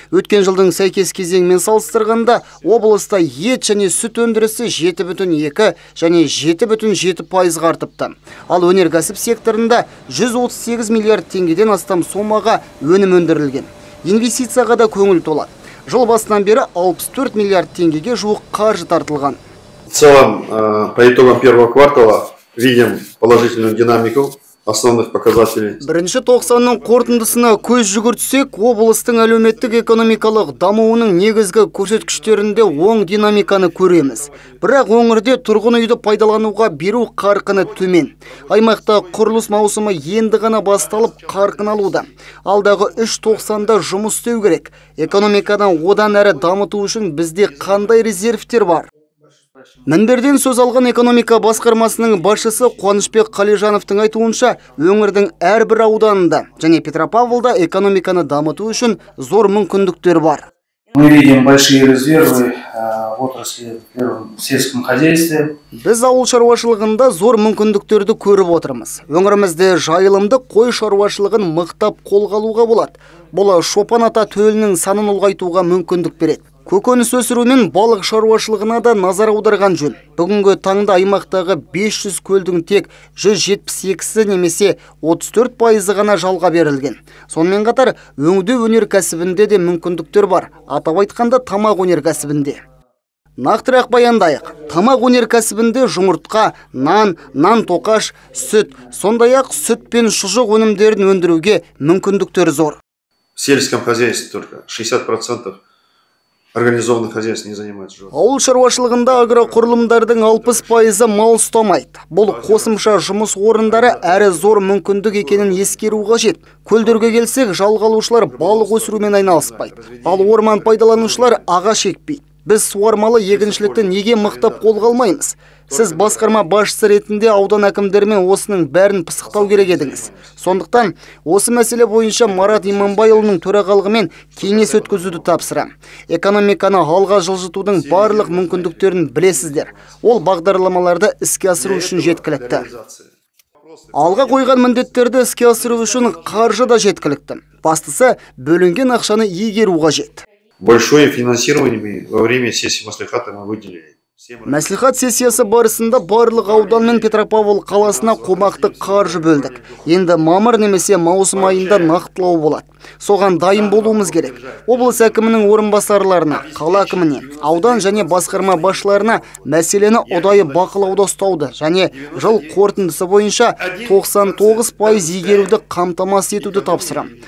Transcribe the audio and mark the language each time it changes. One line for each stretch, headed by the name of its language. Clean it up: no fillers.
Kazakh: Өткен жылдың сәйкес кезеңімен салыстырғанда облыста ет және сүт өндірісі 7,2 және 7,7% артыпты. Ал өнеркәсіп секторында 138 миллиард теңгеден астам сомаға өнім өндірілген. Инвестицияға да көңіл толады. Жыл басынан бері 64 миллиард теңгеге жуық қаржы тартылған.
Russian: В целом, по итогам первого квартала видим положительную динамику основных показателей.
Kazakh: Бірінші 90-ның қорытындысына көз жүгіртсек, облыстың әлеуметтік-экономикалық дамуының негізгі көрсеткіштерінде оң динамиканы көреміз. Бірақ өңірде тұрғын үйді пайдалануға беру қарқыны төмен. Аймақта құрылыс маусымы енді ғана басталып қарқын алуда. Алдағы 3-90-да жұмыс істеу керек. Экономиканы одан әрі дамыту үшін бізде қандай резервтер бар? Мінберден сөз алған экономика басқармасының басшысы Қуанышбек Қалижановтың айтуынша, өңірдің әрбір ауданында және Петропавлда экономиканы дамыту үшін зор мүмкіндіктер бар.
Russian: Мы видим большие резервы в отрасли сельском хозяйстве.
Kazakh: Біз ауыл шаруашылығында зор мүмкіндіктерді көріп отырмыз. Өңірімізде жайылымды қой шаруашылығын мықтап қолға алуға болады. Бұл Шопан ата төлінің санын ұлғайтуға мүмкіндік береді. Көкөніс өсіру мен балық шаруашылығына да назар аударған жөн. Бүгінгі таңда аймақтағы 500 көлдің тек 172-сі немесе 34% ғана жалға берілген. Сонымен қатар, өңдеу өнеркәсібінде де мүмкіндіктер бар. Атап айтқанда, тамақ өнеркәсібінде. Нақтырақ баяндайық. Тамақ өнеркәсібінде жұмыртқа, нан, нан тоқаш, сүт, сондай-ақ сүт пен шұжық өнімдерін өндіруге мүмкіндіктер зор.
Russian: Сельском хозяйстве только 60% организованный хозяйств не занимается животным.
Kazakh: Ауыл шаруашылығында агроқұрылымдардың 60% мал ұстамайды. Бұл қосымша жұмыс орындары әрі зор мүмкіндік екенін ескеру қажет. Көлдерге келсек, жалғалушылар балық өсірумен айналыспайды. Ал орман пайдаланушылар ағаш екпейді. Біз суармалы егіншілікті неге мықтап қолға алмаймыз? Сіз басқарма басшысы ретінде аудан әкімдерімен осының бәрін пысықтау керек едіңіз. Сондықтан осы мәселе бойынша Марат Иманбайұлының төрағалығымен кеңес өткізуді тапсырам. Экономиканы алға жылжытудың барлық мүмкіндіктерін білесіздер. Ол бағдарламаларды іске асыру үшін жеткілікті. Алға қойған міндеттерді іске асыру үшін қаржы да жеткілікті. Бастысы бөлінген ақшаны игеру қажет.
Russian: Большое финансирование мы во время сессии маслихата мы выделили.
Kazakh: Мәслихат сессиясы барысында барлық аудан мен Петропавл қаласына қомақты қаржы бөлдік. Енді мамыр немесе маусым айында нақтылау болады. Соған дайын болуымыз керек. Облыс әкімінің орынбасарларына, қала әкіміне, аудан және басқарма басшыларына мәселені ұдайы бақылауда ұстауды және жыл қорытындысы бойынша 99% игеруді қамтамасыз етуді тапсырам.